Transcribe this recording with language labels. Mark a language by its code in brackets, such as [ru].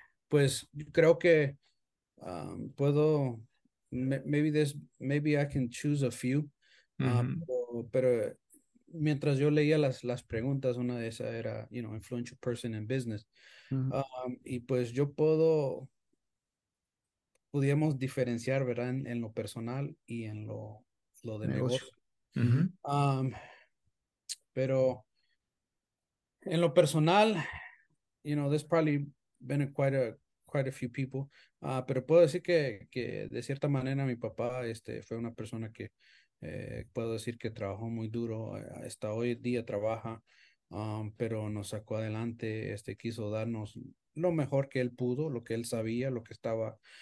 [es] Pues creo que puedo, [en] maybe I can choose a few, [es] pero mientras yo leía las preguntas, una de esas era, [en] you know, influential person in business. [es] Uh-huh. Y pues yo pudiéramos diferenciar, ¿verdad? En lo personal y en lo de negocio. Uh-huh. Pero en lo personal, [en] you know, there's probably been quite a few people. [es] Pero puedo decir que de cierta manera mi papá fue una persona que puedo decir que trabajó muy duro, hasta hoy día trabaja, pero nos sacó adelante, quiso darnos lo mejor que él pudo, lo que él sabía, lo que estaba